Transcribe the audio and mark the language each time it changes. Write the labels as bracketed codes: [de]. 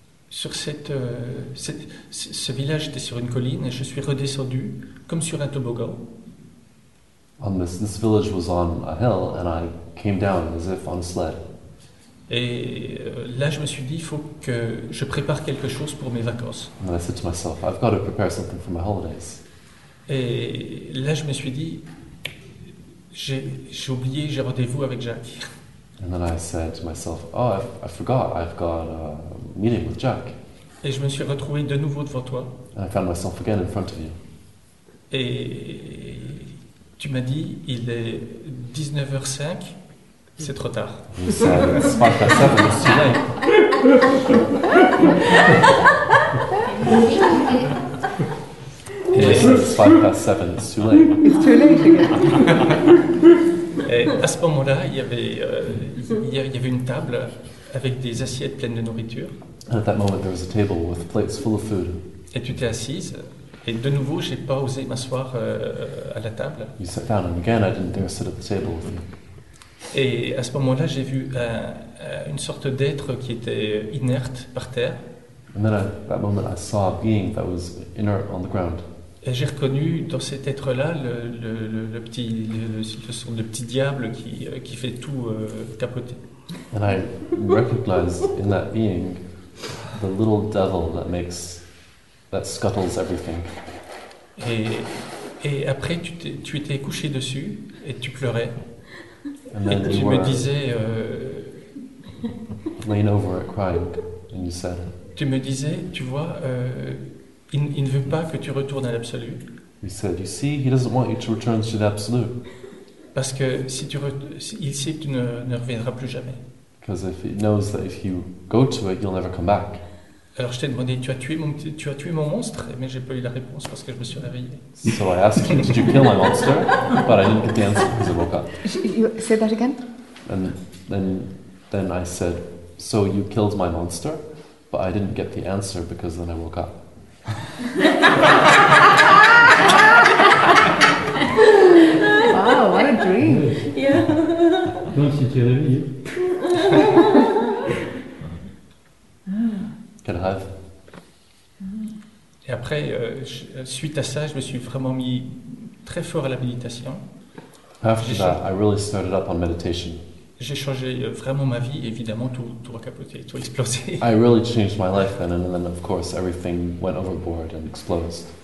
[fr] Ce village était sur une colline et je suis redescendu comme sur un toboggan. [en] On this village was on a hill and I came down as if on a sled. [fr] Et là je me suis dit il faut que je prépare quelque chose pour mes vacances. [en] And I said to myself, I've got to prepare something for my holidays. [fr] Et là je me suis dit j'ai oublié, j'ai rendez-vous avec Jacques. [en] And then I said to myself, oh, I forgot, I've got a meeting with Jack. [fr] Et je me suis retrouvé de nouveau devant toi. [en] And I found myself again in front of you. [fr] Et tu m'as dit, il est 19h05, c'est trop tard. [en] You said, it's 5 past 7, it's too late. It's 5 past 7, it's too late. It's too late again. [fr] Et à ce moment-là, il y avait une table avec des assiettes pleines de nourriture. [en] And at that moment, there was a table with plates full of food. [fr] Et tu t'es assise. Et de nouveau, j'ai pas osé m'asseoir à la table. [en] You sat down, and again, I didn't dare sit at the table with you. [fr] Et à ce moment-là, j'ai vu une sorte d'être qui était inerte par terre. [en] And then, at that moment, I saw a being that was inert on the ground. [fr] Et j'ai reconnu dans cet être-là le petit diable qui fait tout capoter. [en] And I recognized in that being the little devil that scuttles everything. [fr] Et après tu étais couché dessus et tu pleurais. [en] And then [fr] et tu me disais. [en] Laying over it crying, and you said. [fr] Tu me disais, tu vois. Il ne veut pas que tu retournes à l'absolu. [en] He said, you see, he doesn't want you to return to the absolute. [fr] Parce que si tu il sait que tu ne reviendras plus jamais. [en] Because if he knows that if you go to it, you'll never come back. [fr] Alors je t'ai demandé, tu as tué mon monstre, mais j'ai pas eu la réponse parce que je me suis réveillé. [en] So I asked him, did you kill my monster? But I didn't get the answer because I woke up. You say that again? And then I said, so you killed my monster, but I didn't get the answer because then I woke up. Wow, what a dream. Yeah. [fr] Donc si tu es réveillé. Quel rêve. Et après, suite à ça, je me suis vraiment mis très fort à la méditation. [en] After that, I really started up on meditation. [fr] J'ai changé vraiment ma vie, évidemment tout a capoté, tout a explosé. [en] I really changed my life then, and then of course everything went overboard and exploded.